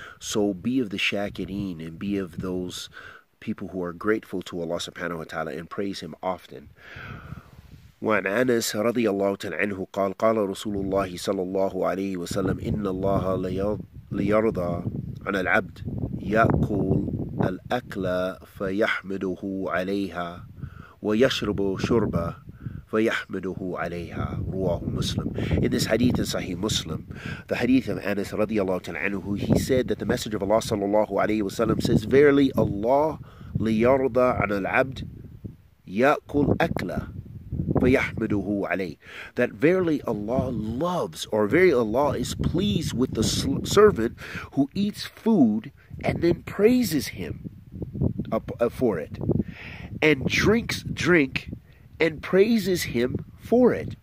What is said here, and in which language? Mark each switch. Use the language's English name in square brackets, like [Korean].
[English] So be of the shakirin and be of those people who are grateful to Allah سبحانه وتعالى and praise him often. [Arabic] وعن أنس رضي الله عنه قال قال رسول الله صلى الله عليه وسلم إن الله ليرضى عن العبد يأكل الأكل فيحمده عليها ويشرب شربة فيحمده عليها رواه مسلم. [English] In this hadith in Sahih Muslim, the hadith of Anas radiallahu ta'ala anhu, he said that the Messenger of Allah sallallahu alayhi wa sallam says, verily Allah [Arabic] liyarda an al-abd ya'kul akla fayahmiduhu alayhi, [English] that verily Allah loves, or very Allah is pleased with the servant who eats food and then praises him for it, and drinks drink and praises him for it.